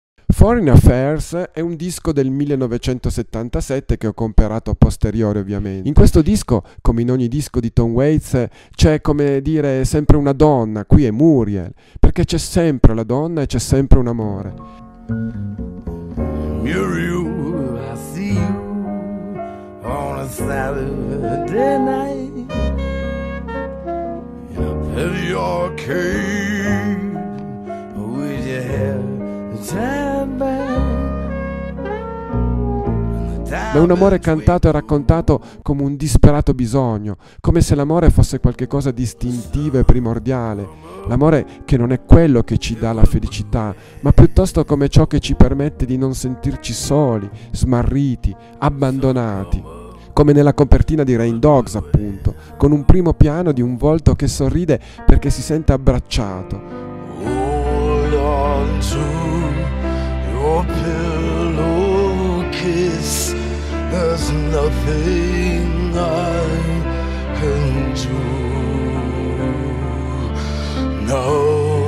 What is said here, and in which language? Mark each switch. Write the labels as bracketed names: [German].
[Italian] Foreign Affairs è un disco del 1977 che ho comperato a posteriori, ovviamente. In questo disco, come in ogni disco di Tom Waits, c'è, come dire, sempre una donna, qui è Muriel, perché c'è sempre la donna e c'è sempre un amore. [English] Muriel, I see you on a Saturday night. In your cave, with your hair tied back. [Italian] Ma è un amore cantato e raccontato come un disperato bisogno, come se l'amore fosse qualcosa di istintivo e primordiale. L'amore che non è quello che ci dà la felicità, ma piuttosto come ciò che ci permette di non sentirci soli, smarriti, abbandonati. Come nella copertina di Rain Dogs, appunto, con un primo piano di un volto che sorride perché si sente abbracciato. [English] Hold on to your pillow kiss, there's nothing I can do now.